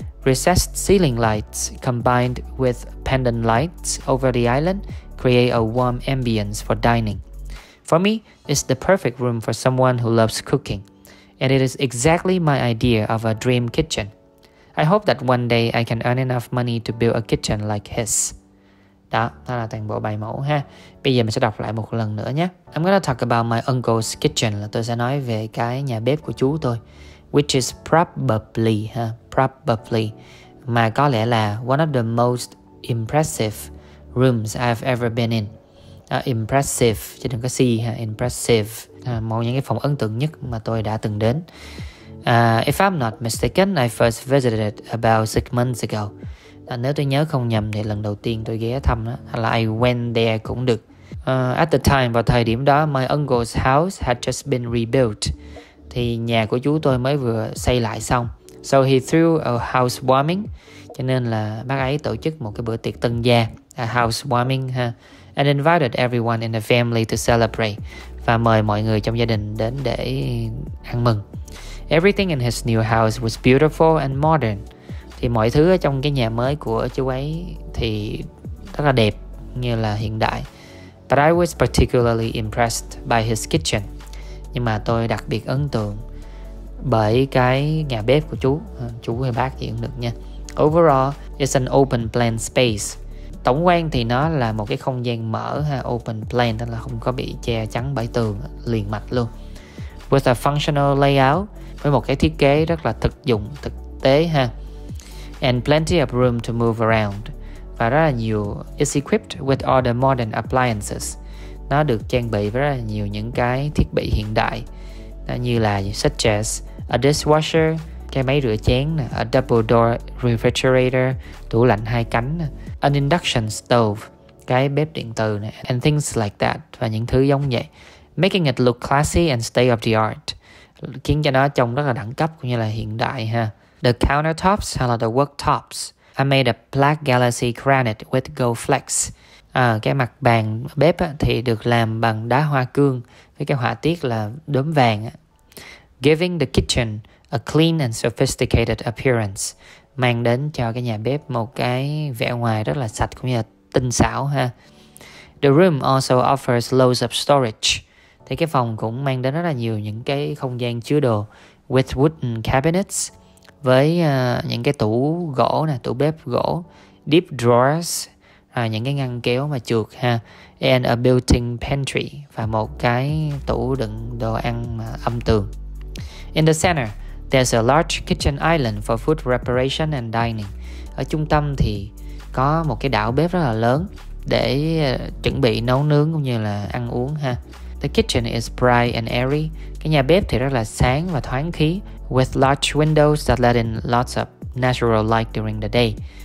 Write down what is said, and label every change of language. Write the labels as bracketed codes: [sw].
[en] Recessed ceiling lights combined with pendant lights over the island create a warm ambience for dining. For me, it's the perfect room for someone who loves cooking, and it is exactly my idea of a dream kitchen. I hope that one day I can earn enough money to build a kitchen like his. [vi] Đó, đó là toàn bộ bài mẫu ha. Bây giờ mình sẽ đọc lại một lần nữa nhé. [en] I'm gonna talk about my uncle's kitchen, [vi] là tôi sẽ nói về cái nhà bếp của chú tôi, [en] which is probably, ha, probably, [vi] mà có lẽ là [en] one of the most impressive rooms I've ever been in. [vi] Impressive, chứ đừng có si ha, impressive, một những cái phòng ấn tượng nhất mà tôi đã từng đến. [en] If I'm not mistaken, I first visited it about 6 months ago. [vi] Nếu tôi nhớ không nhầm thì lần đầu tiên tôi ghé thăm đó, hay là [en] I went there [vi] cũng được. [en] At the time, [vi] vào thời điểm đó, [en] my uncle's house had just been rebuilt. [vi] Thì nhà của chú tôi mới vừa xây lại xong. [en] So he threw a housewarming. [vi] Cho nên là bác ấy tổ chức một cái bữa tiệc tân gia, [en] a housewarming [vi] ha, [en] and invited everyone in the family to celebrate. [vi] Và mời mọi người trong gia đình đến để ăn mừng. [en] Everything in his new house was beautiful and modern. [vi] Thì mọi thứ ở trong cái nhà mới của chú ấy thì rất là đẹp, như là hiện đại. [en] But I was particularly impressed by his kitchen. [vi] Nhưng mà tôi đặc biệt ấn tượng bởi cái nhà bếp của chú. Chú hay bác thì cũng được nha. [en] Overall, it's an open plan space. [vi] Tổng quan thì nó là một cái không gian mở ha, open plan, tức là không có bị che chắn bởi tường, liền mạch luôn. [en] With a functional layout, [vi] với một cái thiết kế rất là thực dụng, thực tế ha. [en] And plenty of room to move around. [vi] Và rất là nhiều. [en] It's equipped with all the modern appliances. [vi] Nó được trang bị với rất là nhiều những cái thiết bị hiện đại, như là [en] such as a dishwasher, [vi] cái máy rửa chén, [en] a double door refrigerator, [vi] tủ lạnh hai cánh, [en] an induction stove, [vi] cái bếp điện từ này, [en] and things like that, [vi] và những thứ giống vậy. [en] Making it look classy and state of the art, [vi] khiến cho nó trông rất là đẳng cấp cũng như là hiện đại ha. [en] The countertops [vi] hay là [en] the worktops, I made a black galaxy granite with gold flecks. [vi] Cái mặt bàn bếp á, thì được làm bằng đá hoa cương với cái họa tiết là đốm vàng á. [en] Giving the kitchen a clean and sophisticated appearance, [vi] mang đến cho cái nhà bếp một cái vẻ ngoài rất là sạch cũng như là tinh xảo ha. [en] The room also offers loads of storage. [vi] Thì cái phòng cũng mang đến rất là nhiều những cái không gian chứa đồ, [en] with wooden cabinets, [vi] với những cái tủ gỗ nè, tủ bếp gỗ, [en] deep drawers, [vi] những cái ngăn kéo mà chuột ha, [en] and a built-in pantry, [vi] và một cái tủ đựng đồ ăn âm tường. [en] In the center, there's a large kitchen island for food preparation and dining. [vi] Ở trung tâm thì có một cái đảo bếp rất là lớn để chuẩn bị nấu nướng cũng như là ăn uống ha. [en] The kitchen is bright and airy. [vi] Cái nhà bếp thì rất là sáng và thoáng khí, [en] with large windows that let in lots of natural light during the day.